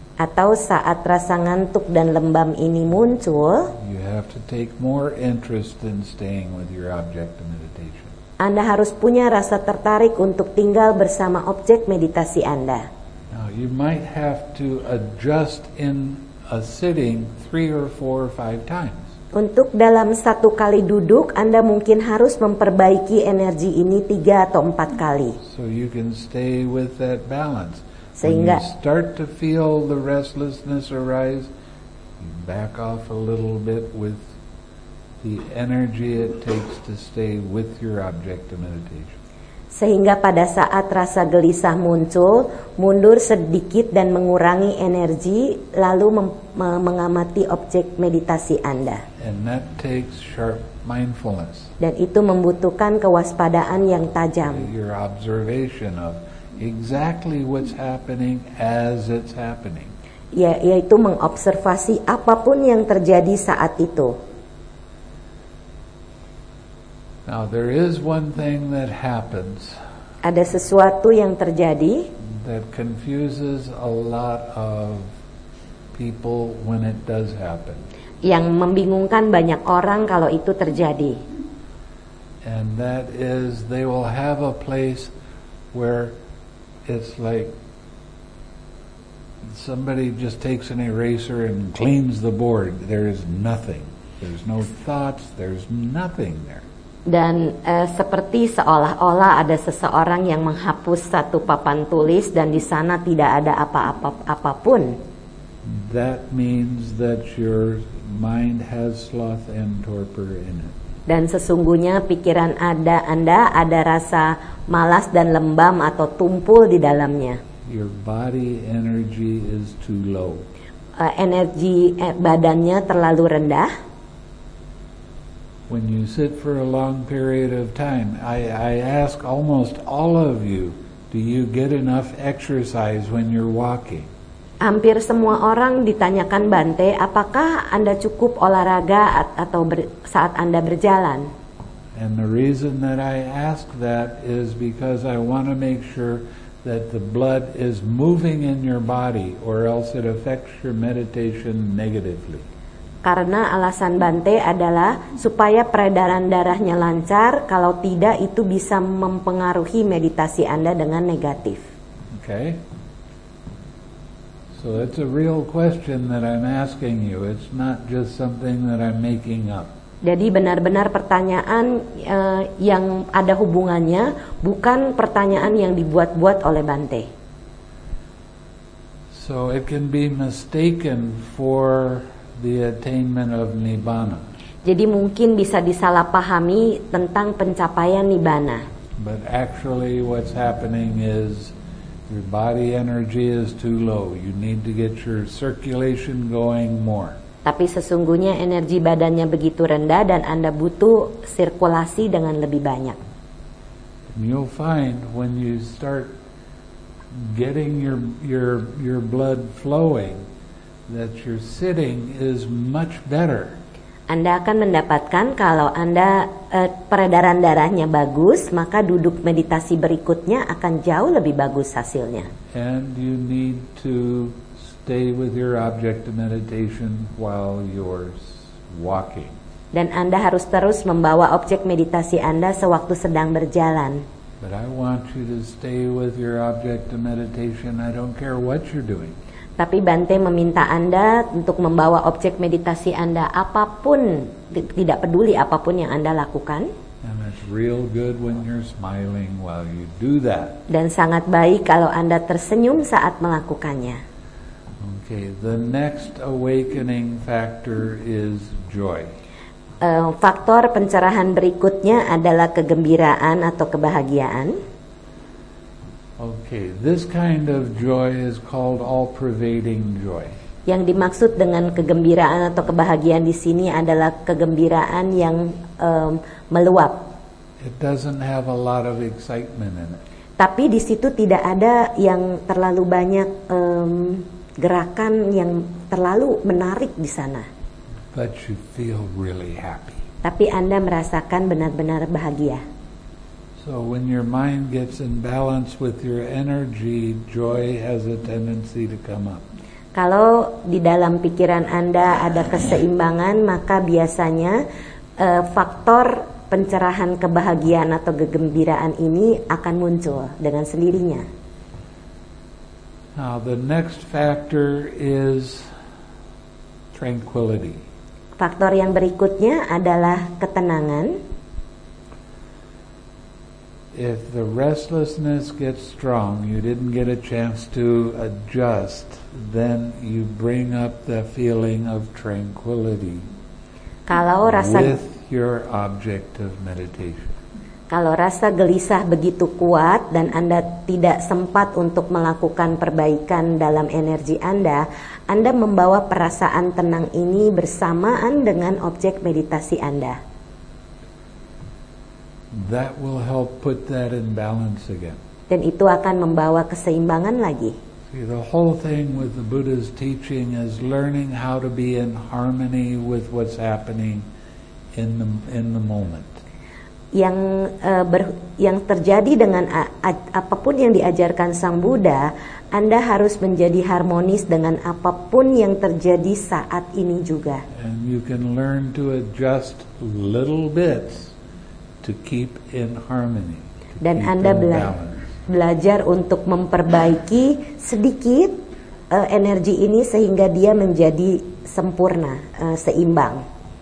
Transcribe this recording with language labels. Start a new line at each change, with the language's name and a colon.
Indonesian: Atau saat rasa ngantuk dan lembam ini muncul,
English: you have to take more interest in staying with your object of meditation.
Indonesian: Anda harus punya rasa tertarik untuk tinggal bersama objek meditasi Anda.
English: Now you might have to adjust in a sitting 3, 4, or 5 times.
Indonesian: Untuk dalam satu kali duduk, Anda mungkin harus memperbaiki energi ini 3 atau 4 kali.
English: So you can stay with that balance.
Indonesian: Sehingga,
English: when you start to feel the restlessness arise, you back off a little bit with the energy it takes to stay with your object of meditation.
Indonesian: Sehingga pada saat rasa gelisah muncul, mundur sedikit dan mengurangi energi, lalu mengamati objek meditasi Anda.
English: And that takes sharp mindfulness.
Indonesian: Dan itu membutuhkan kewaspadaan yang tajam.
English: Your observation of exactly what's happening as it's happening.
Indonesian: Ya, yaitu mengobservasi apapun yang terjadi saat itu.
English: Now there is one thing that happens.
Indonesian: Ada sesuatu yang terjadi
English: that confuses a lot of people when it does happen.
Indonesian: Yang membingungkan banyak orang kalau itu terjadi.
English: And that is, they will have a place where it's like somebody just takes an eraser and cleans the board. There is nothing. There's no thoughts. There's nothing there.
Indonesian: Dan seperti seolah-olah ada seseorang yang menghapus satu papan tulis dan di sana tidak ada apapun.
English: That means that your mind has sloth and torpor in it.
Indonesian: Dan sesungguhnya pikiran Anda ada rasa malas dan lembam atau tumpul di dalamnya.
English: Your body energy is too low.
Indonesian: Energi badannya terlalu rendah.
English: When you sit for a long period of time, I ask almost all of you, do you get enough exercise when you're walking?
Indonesian: Hampir semua orang ditanyakan Bante, apakah Anda cukup olahraga atau saat Anda berjalan?
English: And the reason that I ask that is because I want to make sure that the blood is moving in your body or else it affects your meditation negatively.
Indonesian: Karena alasan Bante adalah supaya peredaran darahnya lancar, kalau tidak itu bisa mempengaruhi meditasi Anda dengan negatif.
English: Okay. So it's a real question that I'm asking you. It's not just something that I'm making up.
Indonesian: Jadi benar-benar pertanyaan yang ada hubungannya, bukan pertanyaan yang dibuat-buat oleh Bante.
English: So it can be mistaken for the attainment of Nibbana.
Indonesian: Jadi mungkin bisa disalahpahami tentang pencapaian Nibbana.
English: But actually what's happening is your body energy is too low. You need to get your circulation going more.
Indonesian: Tapi sesungguhnya energi badannya begitu rendah dan Anda butuh sirkulasi dengan lebih banyak.
English: You'll find when you start getting your blood flowing that your sitting is much better.
Indonesian: Anda akan mendapatkan kalau Anda peredaran darahnya bagus, maka duduk meditasi berikutnya akan jauh lebih bagus hasilnya.
English: And you need to stay with your object of meditation while you're walking.
Indonesian: Dan Anda harus terus membawa objek meditasi Anda sewaktu sedang berjalan.
English: But I want you to stay with your object of meditation. I don't care what you're doing.
Indonesian: Tapi Bante meminta Anda untuk membawa objek meditasi Anda apapun, tidak peduli apapun yang Anda lakukan.
English: And it's real good when you're smiling while you do that.
Indonesian: Dan sangat baik kalau Anda tersenyum saat melakukannya.
English: Okay, the next awakening factor is joy.
Indonesian: Faktor pencerahan berikutnya adalah kegembiraan atau kebahagiaan.
English: Okay, this kind of joy is called all-pervading joy.
Indonesian: Yang dimaksud dengan kegembiraan atau kebahagiaan di sini adalah kegembiraan yang meluap.
English: It doesn't have a lot of excitement in it.
Indonesian: Tapi di situ tidak ada yang terlalu banyak gerakan yang terlalu menarik di sana.
English: But you feel really happy.
Indonesian: Tapi Anda merasakan benar-benar bahagia.
English: So when your mind gets in balance with your energy, joy has a tendency to come up.
Indonesian: Kalau di dalam pikiran Anda ada keseimbangan, maka biasanya faktor pencerahan kebahagiaan atau kegembiraan ini akan muncul dengan sendirinya.
English: Now the next factor is tranquility.
Indonesian: Faktor yang berikutnya adalah ketenangan.
English: If the restlessness gets strong, you didn't get a chance to adjust, then you bring up the feeling of tranquility.
Indonesian: Kalau rasa
English: with your object of meditation.
Indonesian: Kalau rasa gelisah begitu kuat dan Anda tidak sempat untuk melakukan perbaikan dalam energi Anda, Anda membawa perasaan tenang ini bersamaan dengan objek meditasi Anda.
English: That will help put that in balance again.
Indonesian: Dan itu akan membawa keseimbangan lagi.
English: See, the whole thing with the Buddha's teaching is learning how to be in harmony with what's happening in the moment.
Indonesian: yang yang terjadi dengan apapun yang diajarkan Sang Buddha, Anda harus menjadi harmonis dengan apapun yang terjadi saat ini juga.
English: And you can learn to adjust little bits to keep in harmony.
Indonesian: Dan Anda belajar untuk memperbaiki sedikit energi ini sehingga dia menjadi sempurna, seimbang.